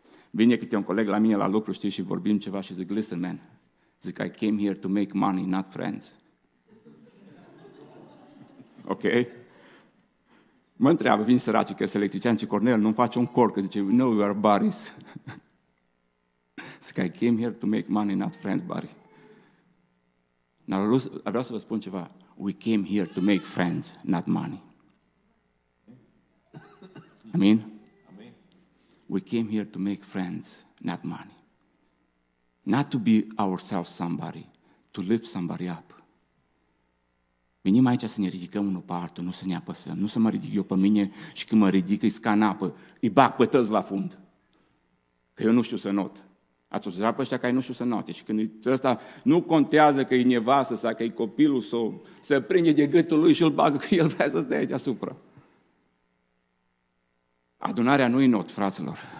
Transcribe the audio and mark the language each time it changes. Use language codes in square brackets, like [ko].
[ro] Vine câte un coleg la mine la lucru, știi, și vorbim ceva și zic, [en] listen, man, [ro] zic, [en] I came here to make money, not friends. [ro] Ok? Mă întreabă, vin săraci, că sunt electrician, și Cornel, nu-mi face un cor, că zice, [en] no, you are Boris. Zic, I came here to make money, not friends, Barry. [ro] Dar vreau să vă spun ceva. [en] We came here to make friends, not money. Amin? We came here to make friends, not money. Not to be ourselves somebody, to lift somebody up. [ro] Venim aici să ne ridicăm unul pe altul, nu să ne apăsăm, nu să mă ridic eu pe mine și când mă ridic îi scan apă, îi bag pătăți la fund. Că eu nu știu să not. Ați observat pe ăștia că ei nu știu să note. Și când ăsta nu contează că e nevastă sau că e copilul sau se prinde de gâtul lui și îl bagă că el vrea să se ia deasupra. Adunarea nu-i not, fraților.